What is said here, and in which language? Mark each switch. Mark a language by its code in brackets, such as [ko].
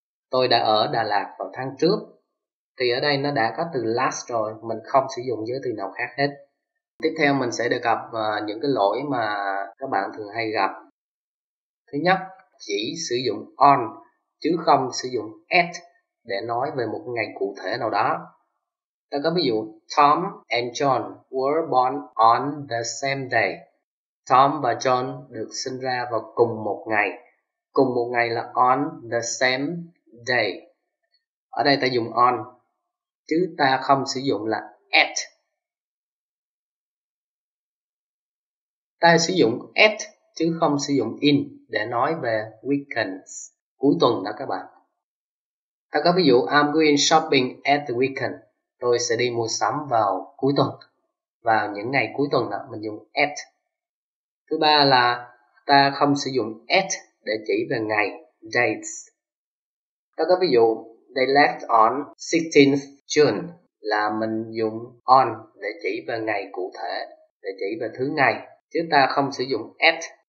[vi] Tôi đã ở Đà Lạt vào tháng trước. Thì ở đây nó đã có từ last rồi, mình không sử dụng giới từ nào khác hết. Tiếp theo mình sẽ đề cập những cái lỗi mà các bạn thường hay gặp. Thứ nhất, chỉ sử dụng on chứ không sử dụng at để nói về một ngày cụ thể nào đó. Ta có ví dụ, [en] Tom and John were born on the same day. [vi] Tom và John được sinh ra vào cùng một ngày. Cùng một ngày là [en] on the same day. [vi] Ở đây ta dùng on chứ ta không sử dụng là at. Ta sử dụng at chứ không sử dụng in để nói về weekends, cuối tuần đó các bạn. Ta có ví dụ, [en] I'm going shopping at the weekend. [vi] Tôi sẽ đi mua sắm vào cuối tuần, vào những ngày cuối tuần đó, mình dùng at. Thứ ba là ta không sử dụng at để chỉ về ngày, dates. Ta có ví dụ, [en] they left on 16th June [vi] là mình dùng on để chỉ về ngày cụ thể, để chỉ về thứ ngày, chứ ta không sử dụng at.